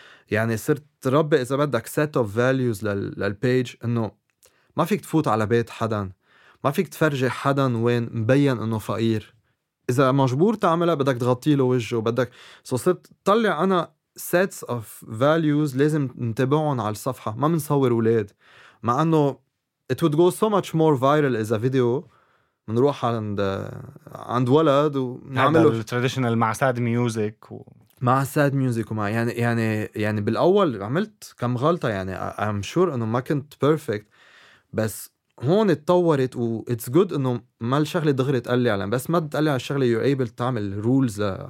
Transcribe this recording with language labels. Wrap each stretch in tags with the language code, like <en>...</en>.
<ar>يعني صرت ربي اذا بدك</ar> <en>set of values</en> <ar>للبيج، انه ما فيك تفوت على بيت حدا، ما فيك تفرجي حدا وين مبين انه فقير. اذا مجبور تعملها بدك تغطي له وجهه بدك. صرت طلع انا</ar> <en>sets of values</en> <ar>لازم نتبعهم على الصفحة. ما منصور ولاد، مع انه</ar> <en>it would go so much more viral as a video.</en> <ar>منروح عند ولد ونعمله هذا التراديشنال مع ساد ميوزك مع ساد ميوزك ومع يعني يعني يعني بالاول عملت كم غلطه، يعني</ar> <en>I'm sure</en> <ar>انه ما كنت بيرفكت، بس هون اتطورت و</ar> <en>it's good</en> <ar>انه ما الشغله دغري تقلع لي، بس ما تقلع الشغله</ar> <en>you're able</en> <ar>تعمل rules.</ar>